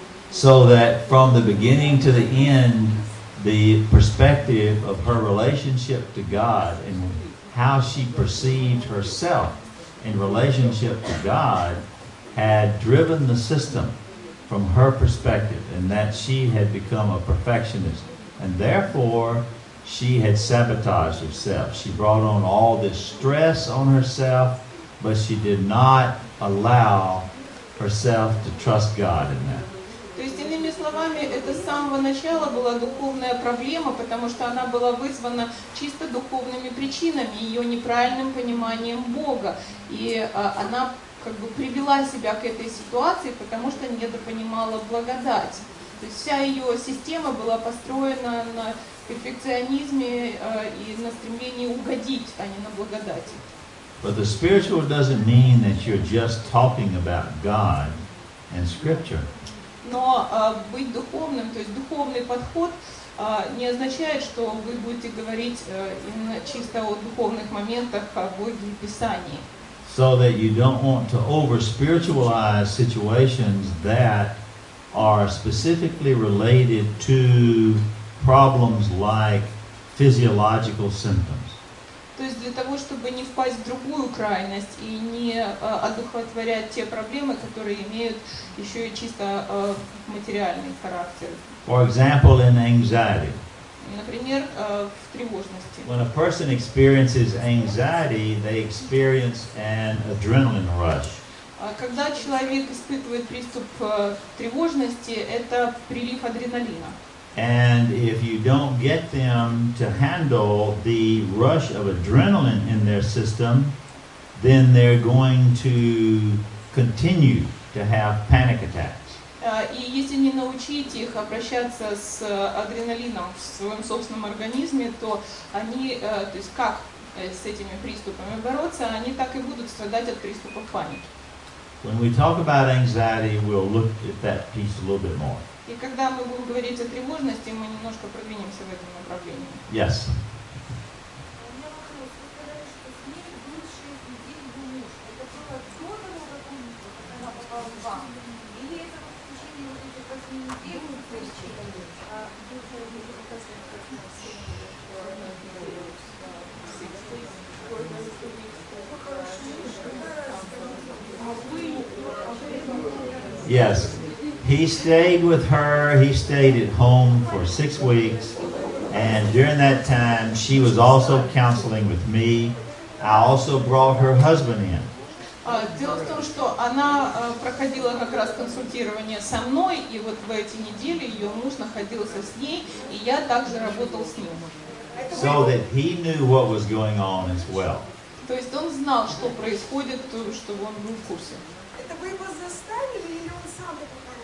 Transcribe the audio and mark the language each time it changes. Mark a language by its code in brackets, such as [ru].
[en] So that from the beginning to the end, the perspective of her relationship to God and how she perceived herself in relationship to God had driven the system from her perspective, and that she had become a perfectionist, and therefore she had sabotaged herself. She brought on all this stress on herself, but she did not allow herself to trust God in that. [ru] То есть, иными словами, это с самого начала была духовная проблема, потому что она была вызвана чисто духовными причинами, ее неправильным пониманием Бога. И она как бы привела себя к этой ситуации, потому что недопонимала благодать. То есть вся ее система была построена на перфекционизме и на стремлении угодить, а не на благодати. [en] But the spiritual doesn't mean that you're just talking about God and Scripture. [ru] Но быть духовным, то есть духовный подход, не означает, что вы будете говорить именно чисто о духовных моментах, о Боге и Писании. [en] So that you don't want to over-spiritualize situations that are specifically related to problems like physiological symptoms. [ru] То есть для того, чтобы не впасть в другую крайность и не одухотворять те проблемы, которые имеют еще и чисто материальный характер. [en] For example, in anxiety. [ru] Например, в тревожности. [en] When a person experiences anxiety, they experience an adrenaline rush. [ru] Когда человек испытывает приступ тревожности, это прилив адреналина. [en] And if you don't get them to handle the rush of adrenaline in their system, then they're going to continue to have panic attacks. [ru] И если не научить их обращаться с адреналином в своем собственном организме, то они, то есть как с этими приступами бороться, они так и будут страдать от приступов паники. [en] When we talk about anxiety, we'll look at that piece a little bit more. [ru] И когда мы будем говорить о тревожности, мы немножко продвинемся в этом направлении. [en] Yes. Yes. He stayed with her, he stayed at home for 6 weeks, and during that time, she was also counseling with me. I also brought her husband in. [ru] Дело в том, что она проходила как раз консультирование со мной, и вот в эти недели ее муж находился с ней, и я также работал с ним. [en] So that he knew what was going on as well. [ru] То есть он знал, что происходит, то, что он был в курсе. Это вы его заставили, или он сам это?